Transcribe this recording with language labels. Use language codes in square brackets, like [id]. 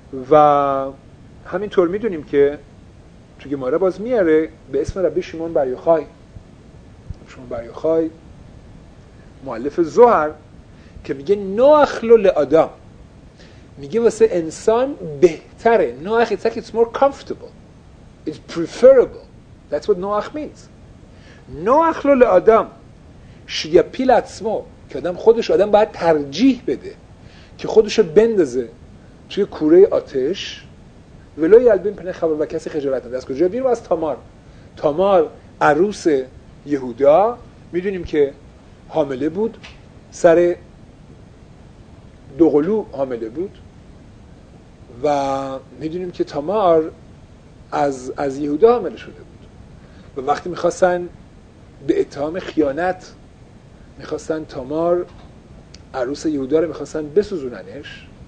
[fa] و همینطور میدونیم که توی گماره باز میاره به اسم ربی شمعون بر یوحای، شمعون بر یوحای مؤلف زهر، که میگه نوخ لو لآدم، میگه واسه انسان بهتره. [en] نوخ it's like it's more comfortable, it's preferable, that's what نوخ means. [he] نوخ لو لآدم شیپیل عصمو، [fa] که آدم خودش آدم باید ترجیح بده که خودشو بندازه توی کوره آتش، ولو یلبین پنه خبر و کسی خجالت نده. از کجا بیرو؟ از تامار. تامار عروس یهودا، میدونیم که حامله بود، سر دوقلو حامله بود، و میدونیم که تامار از یهودا حامله شده بود، و وقتی میخواستن به اتهام خیانت میخواستن تامار عروس یهودا رو میخواستن بسوزوننش،